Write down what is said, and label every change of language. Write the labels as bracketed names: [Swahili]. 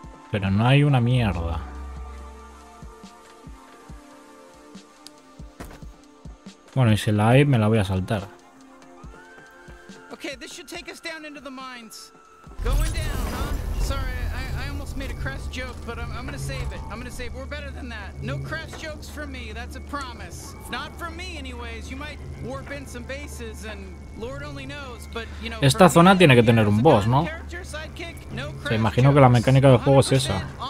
[Spanish] Pero no hay una mierda. Bueno, y si la hay, me la voy a saltar. [English] Okay, this should take us down into the mines. Going down, huh? Sorry, I almost made a crass joke, but I'm gonna save it. I'm gonna save it. We're better than that. No crass jokes for me, that's a promise. Not for me anyways. You might warp in some bases and Lord only knows, but you know, [Spanish] esta zona tiene que tener un boss, ¿no? Se imagino que la mecánica del juego es esa.